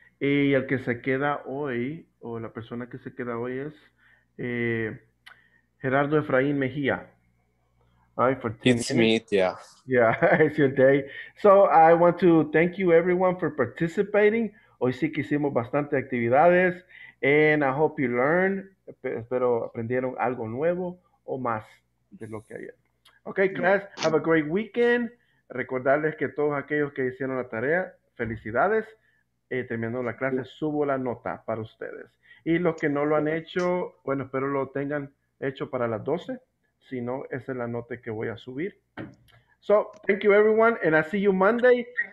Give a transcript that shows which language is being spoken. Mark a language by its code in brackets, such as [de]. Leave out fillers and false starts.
[es] Y el que se queda hoy, o la persona que se queda hoy es Gerardo Efraín Mejía. [en] All right, for it's me, yeah. Yeah, it's your day. So I want to thank you everyone for participating. [es] Hoy sí que hicimos bastante actividades. [en] And I hope you learn. [es] Espero aprendieron algo nuevo o más de lo que ayer. [en] Okay, class, have a great weekend. [es] Recordarles que todos aquellos que hicieron la tarea, felicidades. Terminando la clase, subo la nota para ustedes. Y los que no lo han hecho, bueno, espero lo tengan hecho para las 12. Si no, esa es la nota que voy a subir. [en] So, thank you everyone, and I see you Monday.